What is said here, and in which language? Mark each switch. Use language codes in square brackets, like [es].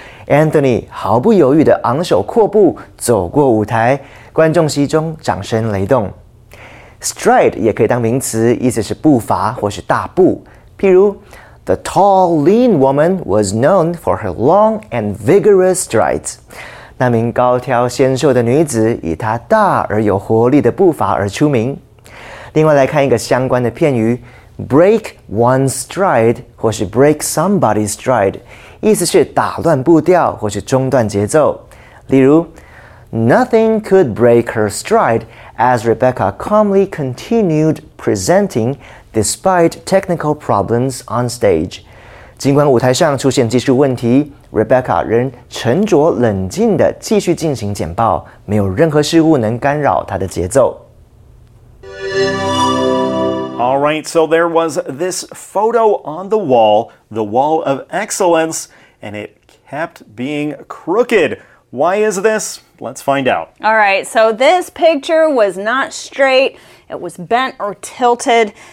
[zh] Anthony 毫不犹豫地昂首阔步走过舞台，观众席中掌声雷动。 Stride 也可以当名词，意思是步伐或是大步。譬如 [en] ，The tall, lean woman was known for her long and vigorous strides. [zh] 那名高挑纤瘦的女子以她大而有活力的步伐而出名。另外来看一个相关的片语 , [en] break one's stride, [zh] 或是 [en] break somebody's stride, [zh] 意思是打乱步调或是中断节奏。例如 [en] ,nothing could break her stride as Rebecca calmly continued presenting despite technical problems on stage. [zh] 尽管舞台上出现技术问题 ,Rebecca 仍沉着冷静地继续进行简报,没有任何事物能干扰她的节奏。 [en] All right, so there was this photo on the wall of excellence, and it kept being crooked. Why is this? Let's find out. All right, so this picture was not straight. It was bent or tilted.